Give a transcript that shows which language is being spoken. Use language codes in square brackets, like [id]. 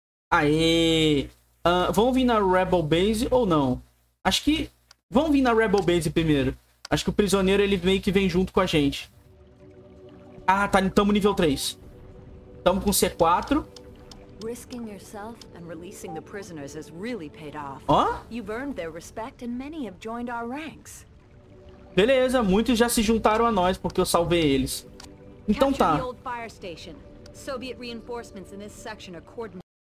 [pt] Aê! Vão vir na Rebel Base ou não? Acho que... Vão vir na Rebel Base primeiro. Acho que o prisioneiro, ele meio que vem junto com a gente. Ah, tá. Tamo nível 3. Tamo com C4. [en] Risking yourself and releasing the prisoners has really paid off. Oh? You've earned their respect and many have joined our ranks. [pt] Beleza, muitos já se juntaram a nós porque eu salvei eles. Então tá. [en] Capture the old fire station. Soviet reinforcements in this section are coordinated.